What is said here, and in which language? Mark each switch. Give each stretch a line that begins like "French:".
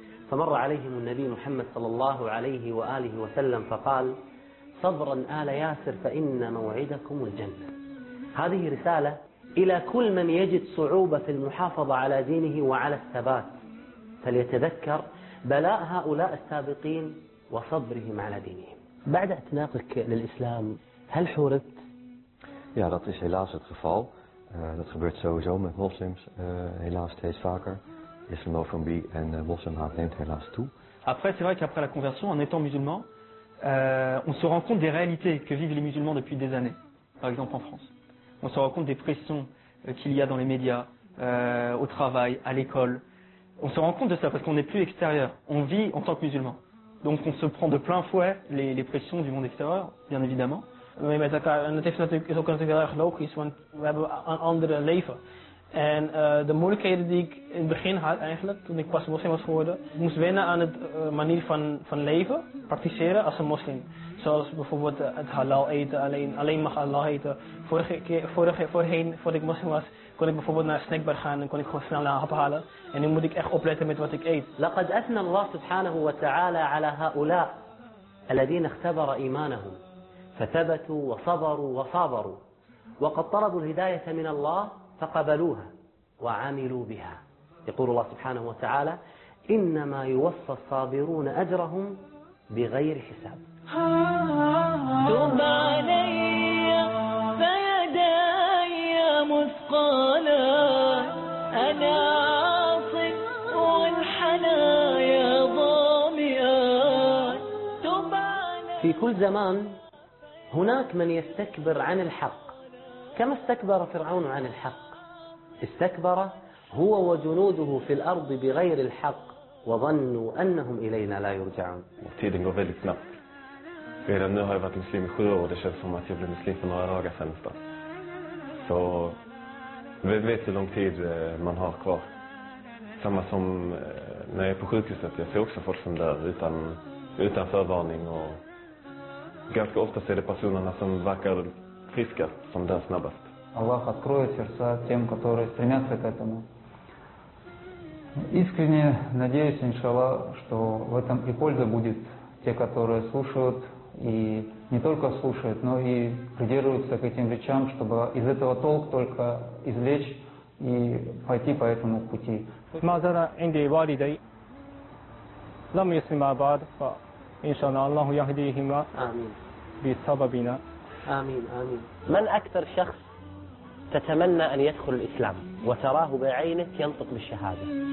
Arabic: فمر عليهم النبي محمد صلى الله عليه وآله وسلم فقال صبرا آل ياسر فإن موعدكم الجنة هذه رسالة إلى كل من يجد صعوبة في المحافظة على دينه وعلى الثبات فليتذكر بلاء هؤلاء السابقين وصبرهم على دينهم بعد اعتناقك للإسلام هل حورت؟
Dutch: Ja, dat is helaas het geval. Dat gebeurt sowieso met moslims, helaas steeds vaker. Islamofobie en moslimhaat neemt helaas toe.
French: Après, c'est vrai qu'après la conversion, en étant musulman, on se rend compte des réalités que vivent les musulmans depuis des années, par exemple en France. On se rend compte des pressions qu'il y a dans les médias, au travail, à l'école. On se rend compte de ça parce qu'on n'est plus extérieur. On vit en tant que musulman. Donc on se prend de plein fouet les pressions du monde extérieur, bien évidemment. Oui, mais c'est
Dutch: natuurlijk ook heel erg logisch, want we hebben een ander leven. En de moeilijkheden die ik in het begin had eigenlijk, toen ik pas moslim was geworden, moest wennen aan het manier van leven, praktiseren als een moslim. Zoals bijvoorbeeld het halal eten, alleen mag halal eten. Voordat ik moslim was, kon ik bijvoorbeeld naar een snackbar gaan en kon ik gewoon snel een hap halen. En nu moet ik echt opletten met wat ik eet.
Arabic: لقد أثنى الله سبحانه وتعالى على هؤلاء الذين اختبر إيمانهم فثبتوا وصبروا وصابروا وقد طلبوا الهداية من الله فقبلوها وعملوا بها يقول الله سبحانه وتعالى إنما يوفى الصابرون أجرهم بغير حساب دب علي فيداي مثقالا أنا عاصف والحنايا ضامئا في كل زمان هناك من يستكبر عن الحق كما استكبر فرعون عن الحق استكبر هو وجنوده في الأرض بغير الحق وظنوا أنهم إلينا لا يرجعون.
Swedish: Tiden går väldigt snabbt. Redan nu har jag varit muslim i 7 år och det känns som att jag blev muslim för några dagar sedan. Så vem vet hur lång tid man har kvar. Samma som när jag är på sjukhuset, jag ser också folk som dör utan förvarning. Och ganska ofta ser det personerna som verkar friska som dör snabbast.
Russian: Аллах откроет сердца тем, которые стремятся к этому. Искренне надеюсь, иншаллах, что в этом и польза будет те, которые слушают, и не только слушают, но и придерживаются к этим речам, чтобы из этого толк только извлечь и пойти по этому пути.
Arabic: Мазара инди валидей, лам юслим абад, фа иншаллах, Аллаху яхдихима, амин, би сабабина. Амин, амин. Ман актар шахс? تتمنى أن يدخل الإسلام وتراه بعينك ينطق بالشهادة